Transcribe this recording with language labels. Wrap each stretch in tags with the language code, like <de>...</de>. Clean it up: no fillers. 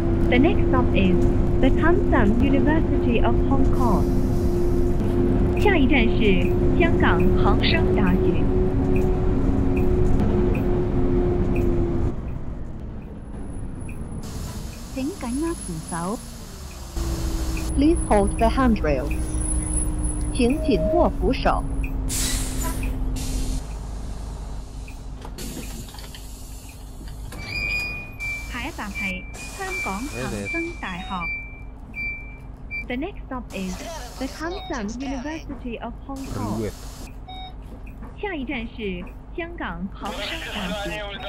<en>The next stop is the Tan Sun University of Hong Kong.</en> <zh>下一站是香港恒生大学。请紧握扶手。</zh> <en>Please hold the handrail.</en> <zh>请紧握扶手。下一站是香港恒生大学。</zh> <en>The next stop is the Tan Sun University of Hong Kong.</en> <zh>下一站是香港恒生大学。</zh>